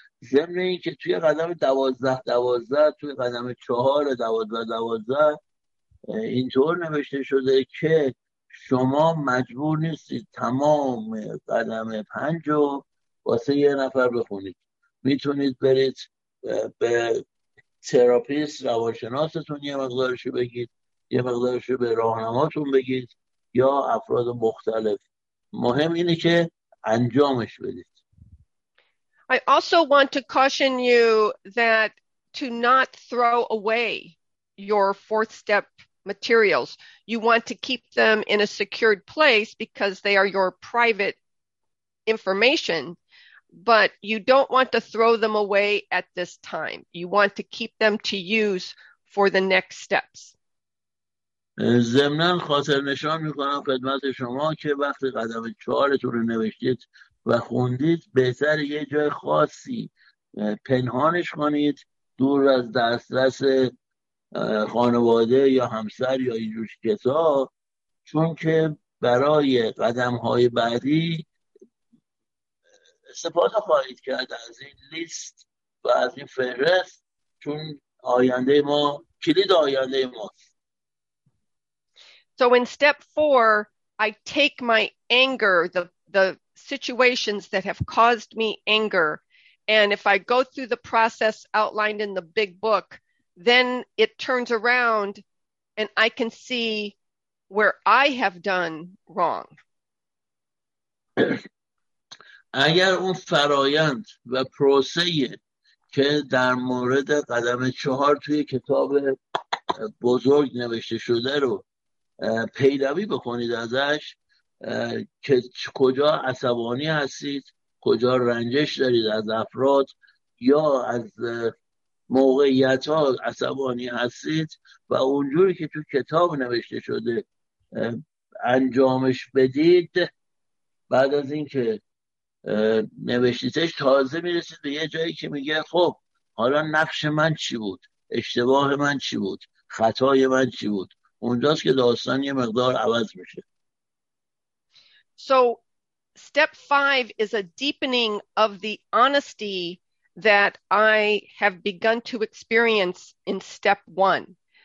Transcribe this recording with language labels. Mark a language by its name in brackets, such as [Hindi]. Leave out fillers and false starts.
[Persian] ضمن این که توی قدم دوازده دوازده، توی قدم چهار دوازده دوازده اینطور نوشته شده که شما مجبور نیستید تمام قدم پنجم واسه یه نفر بخونید. میتونید برید به تراپیست روانشناستون یه مقدارشو بگید، یه مقدارشو به راهنماتون بگید یا افراد مختلف. مهم اینه که انجامش بدید. [English] I also want to caution you that to not throw away your fourth step materials. You want to keep them in a secured place because they are your private information. But you don't want to throw them away at this time. You want to keep them to use for the next steps. [Persian] ضمناً خاطر نشان میکنم خدمت شما که وقتی قدم چهارتون رو نوشتید و خوندید، بهتر یه جای خاصی پنهانش کنید، دور از دسترس خانواده یا همسر یا اینجور کسا، چون که برای قدم های بعدی استفاده خواهید کرد از این لیست و از این فهرست، چون آینده ما کلید آینده ماست. [English] So in step four, I take my anger, the situations that have caused me anger, and if I go through the process outlined in the big book, then it turns around and I can see where I have done wrong. [Persian] اگر اون فرایند و پروسه که در مورد قدم چهار توی کتاب بزرگ نوشته شده رو پیروی بکنید ازش، که کجا عصبانی هستید، کجا رنجش دارید از افراد یا از موقعیت ها عصبانی هستید و اونجوری که تو کتاب نوشته شده انجامش بدید، بعد از این که نوشتیتش تازه میرسید به یه جایی که میگه خب حالا نقش من چی بود، اشتباه من چی بود، خطای من چی بود. اونجاست که داستان یه مقدار عوض میشه. [English] So step five is a deepening of the honesty that I have begun to experience in step one.